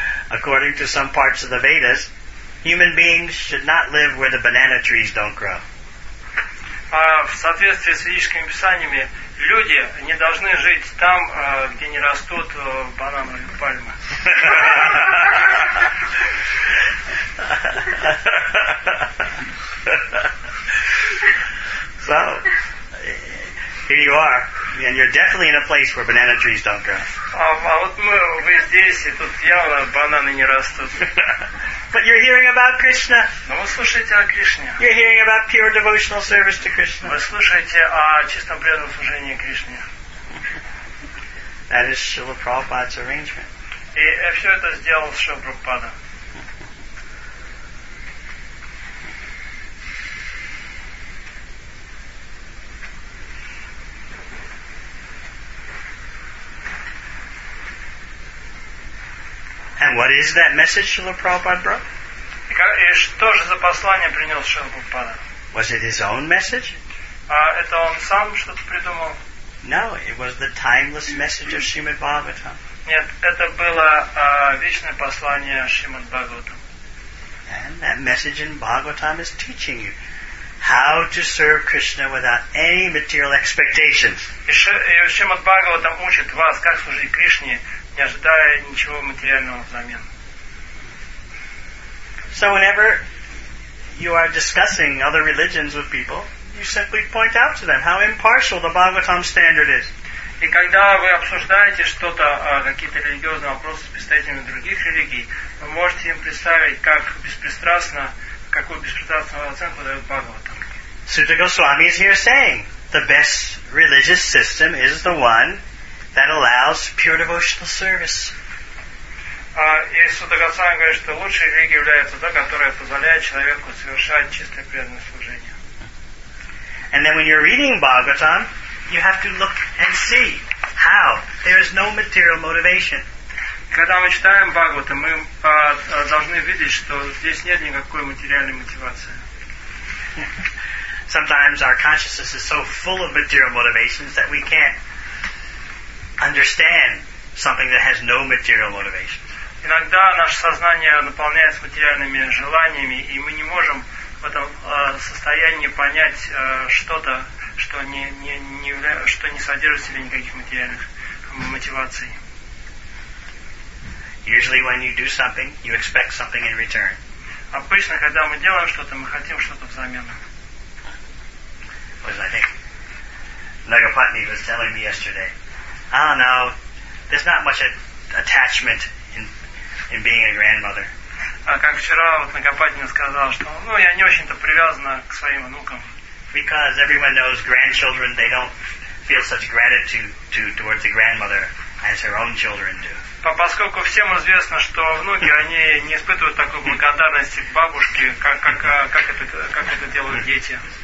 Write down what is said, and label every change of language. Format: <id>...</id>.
<en>According to some parts of the Vedas, human beings should not live where the banana trees don't grow.</en> <ru>В соответствии с ведическими писаниями, люди не должны жить там, где не растут бананы или пальмы.</ru> <en>So, here you are, and you're definitely in a place where banana trees don't grow.</en> <ru>А вот вы здесь, и тут явно бананы не растут.</ru> <en>But you're hearing about Krishna.</en> <ru>Но вы слушаете о Кришне.</ru> <en>You're hearing about pure devotional service to Krishna.</en> <ru>Вы слушаете о чистом преданном служении Кришне.</ru> <en>That is Srila Prabhupada's arrangement.</en> <ru>И все это сделал Шрила Прабхупада.</ru> <en>And what is that message Srila Prabhupada brought?</en> <ru>И что же за послание принес Шрила Прабхупада?</ru> <en>Was it his own message?</en> <ru>Это он сам что-то придумал?</ru> <en>No, it was the timeless message of Srimad Bhagavatam.</en> <ru>Нет, это было вечное послание Шримад Бхагаватам.</ru> <en>And that message in Bhagavatam is teaching you how to serve Krishna without any material expectations.</en> <ru>И Шримад Бхагаватам учит вас, как служить Кришне, не ожидая ничего материального взамен.</ru> <en>So whenever you are discussing other religions with people, you simply point out to them how impartial the Bhagavatam standard is.</en> <ru>И когда вы обсуждаете что-то, какие-то религиозные вопросы с представителями других религий, вы можете им представить, как беспристрастно, какую беспристрастную оценку дает Бхагаватам.</ru> <en>Sutta Goswami is here saying the best religious system is the one that allows pure devotional service.</en> <ru>И Сута Госвами говорит, что лучшей религией является та, которая позволяет человеку совершать чистое преданное служение.</ru> <en>And then when you're reading Bhagavatam, you have to look and see how there is no material motivation.</en> <ru>Когда мы читаем Бхагавату, мы должны видеть, что здесь нет никакой материальной мотивации.</ru> <en>Sometimes our consciousness is so full of material motivations that we can't understand something that has no material motivation.</en> <ru>Иногда наше сознание наполняется материальными желаниями, и мы не можем в этом состоянии понять что-то, что не содержит в себе никаких материальных мотиваций.</ru> <en>Usually when you do something, you expect something in return.</en> <ru>Обычно, когда мы делаем что-то, мы хотим что-то взамен.</ru> <en>Was I think? Nagapatni was telling me yesterday, oh no, there's not much attachment in being a grandmother.</en> <ru>Как вчера вот Нагападина сказал, что ну я не очень-то привязана к своим внукам.</ru> <en>Because everyone knows grandchildren, they don't feel such gratitude towards the grandmother as her own children do.</en> <ru>Поскольку всем известно, что внуки они не испытывают такой благодарности к бабушке, как это делают дети.</ru>